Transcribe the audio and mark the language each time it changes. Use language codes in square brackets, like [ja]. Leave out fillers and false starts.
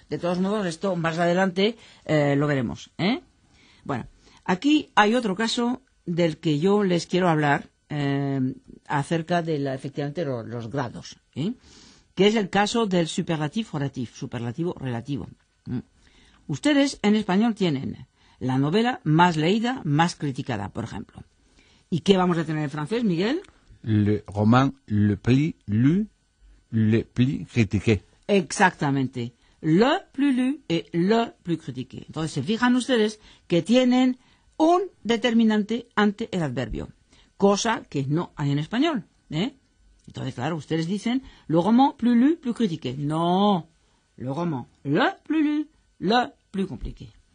[es] De todos modos, esto más adelante lo veremos. Bueno, aquí hay otro caso del que yo les quiero hablar acerca de la, efectivamente los grados. Que es el caso del superlativo orativo, superlativo relativo. Ustedes en español tienen la novela más leída, más criticada, por ejemplo. ¿Y qué vamos a tener en francés, Miguel? [fr] Le roman le plus lu, le plus critiqué. [es] Exactamente. [fr] Le plus lu et le plus critiqué. [es] Entonces, se fijan ustedes que tienen un determinante ante el adverbio. Cosa que no hay en español. Entonces, claro, ustedes dicen [fr] le roman plus lu, plus critiqué. [es] No. [fr] Le roman le plus lu, le plus compliqué.